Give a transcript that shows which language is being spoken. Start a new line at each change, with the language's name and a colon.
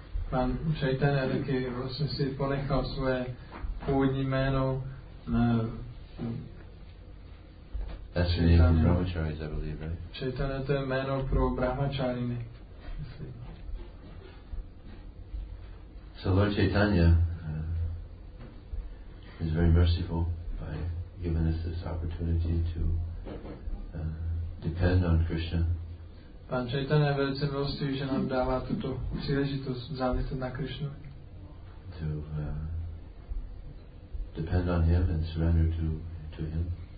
Czech: Pan Chaitanya taky vlastně si ponechal své původní jméno na
English: That's the name for Brahmacharis, I believe, right?
Czech: Chaitanya, to je jméno pro Brahmacharini.
English: So Lord Chaitanya is very merciful by giving us this opportunity to depend on Krishna.
Czech: Pan Chaitanya je velice milostivý, že nám dává tuto příležitost záviset na Krishnu.
English: To depend on him and surrender to him.